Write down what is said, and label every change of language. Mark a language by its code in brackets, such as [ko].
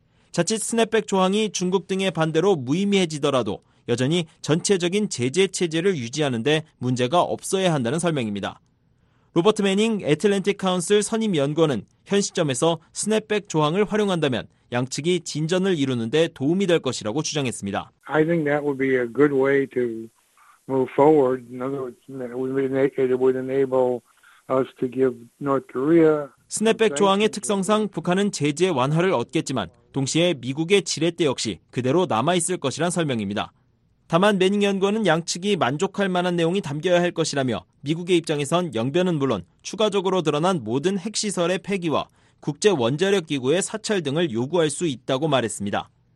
[ko] 자칫 스냅백 조항이 중국 등의 반대로 무의미해지더라도 여전히 전체적인 제재 체제를 유지하는 데 문제가 없어야 한다는 설명입니다. 로버트 매닝 애틀랜틱 카운슬 선임연구원은 현 시점에서 스냅백 조항을 활용한다면 양측이 진전을 이루는 데 도움이 될 것이라고 주장했습니다. [en] I think that would be a good way to move forward. In other words, it would enable us to give North Korea. [ko] 스냅백 조항의 특성상 북한은 제재 완화를 얻겠지만 동시에 미국의 지렛대 역시 그대로 남아있을 것이란 설명입니다. 다만 매닝 연구원은 양측이 만족할 만한 내용이 담겨야 할 것이라며 미국의 입장에선 영변은 물론 추가적으로 드러난 모든 핵시설의 폐기와 국제원자력기구의 사찰 등을 요구할 수 있다고 말했습니다.